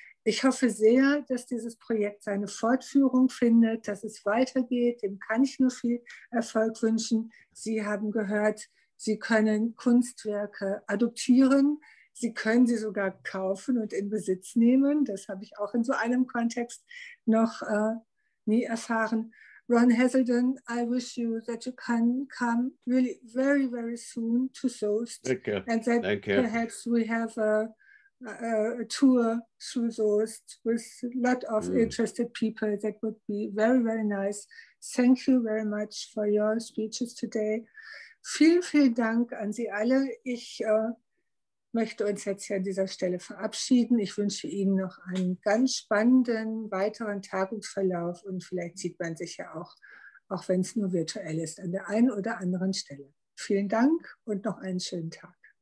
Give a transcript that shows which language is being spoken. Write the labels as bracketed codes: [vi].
[de] Ich hoffe sehr, dass dieses Projekt seine Fortführung findet, dass es weitergeht. Dem kann ich nur viel Erfolg wünschen. Sie haben gehört, Sie können Kunstwerke adoptieren. Sie können sie sogar kaufen und in Besitz nehmen. Das habe ich auch in so einem Kontext noch nie erfahren. [en] Ron Heselden, I wish you that you can come really very, very soon to Soest. And that perhaps we have a tour through Soest with a lot of interested people. That would be very, very nice. Thank you very much for your speeches today. [de] Vielen, vielen Dank an Sie alle. Ich möchte uns jetzt hier an dieser Stelle verabschieden. Ich wünsche Ihnen noch einen ganz spannenden weiteren Tagungsverlauf und vielleicht sieht man sich ja auch wenn es nur virtuell ist, an der einen oder anderen Stelle. Vielen Dank und noch einen schönen Tag.